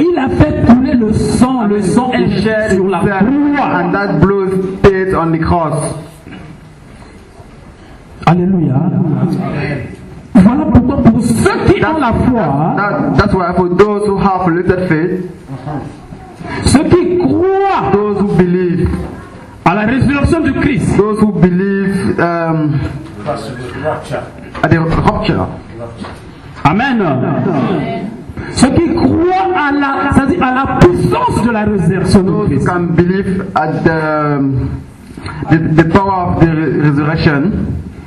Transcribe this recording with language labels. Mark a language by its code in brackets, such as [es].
[fr] il a fait couler le sang, le sang est sur la croix. [en] And that blood stayed on the cross. Alléluia. Amen. [fr] Voilà pourquoi pour ceux qui ont la foi, [en] that's why for those who have a little faith, [fr] ceux qui croient, [en] those who believe, [fr] à la résurrection du Christ. [en] Those who believe at the rapture. Amen. [fr] Ceux qui croient à la, c'est-à-dire à la puissance de la résurrection du Christ. [en] Those who can believe at the power of the resurrection.